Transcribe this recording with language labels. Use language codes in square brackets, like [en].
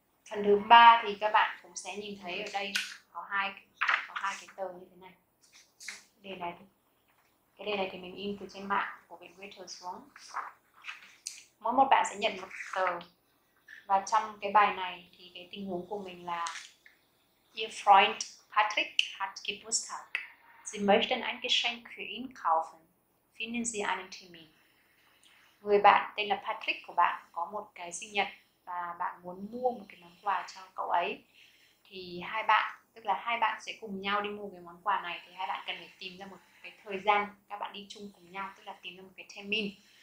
[vi] Phần thứ ba thì các bạn cũng sẽ nhìn thấy ở đây có hai cái tờ như thế này. Cái đề này thì mình in từ trên mạng của viện Reuters xuống. Mỗi một bạn sẽ nhận một tờ, và trong cái bài này thì cái tình huống của mình là [de] Ihr Freund Patrick hat Geburtstag. Sie möchten ein Geschenk für ihn kaufen. Finden Sie einen Termin. [vi] Người bạn tên là Patrick của bạn có một cái sinh nhật và bạn muốn mua một cái món quà cho cậu ấy, thì hai bạn, tức là hai bạn sẽ cùng nhau đi mua cái món quà này, thì hai bạn cần phải tìm ra một cái thời gian các bạn đi chung cùng nhau, tức là tìm ra một cái timing.